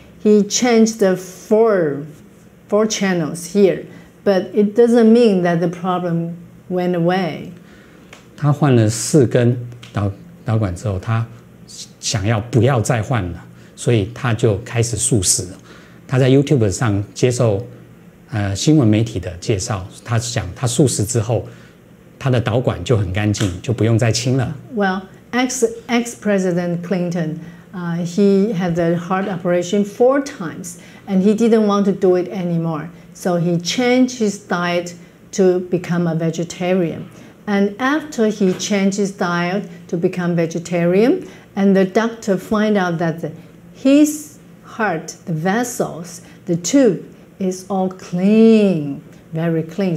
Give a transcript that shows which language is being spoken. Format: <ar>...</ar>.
<en>He changed the four channels here, but it doesn't mean that the problem went away.</en> <zh>他换了四根导管之后，他想要不要再换了，所以他就开始素食。他在 YouTube 上接受新闻媒体的介绍，他讲他素食之后，他的导管就很干净，就不用再清了。</zh> <en>Well, ex President Clinton, he had the heart operation four times, and he didn't want to do it anymore. So he changed his diet to become a vegetarian. And after he changed his diet to become vegetarian, and the doctor find out that his heart, the vessels, the tube, is all clean, very clean.</en>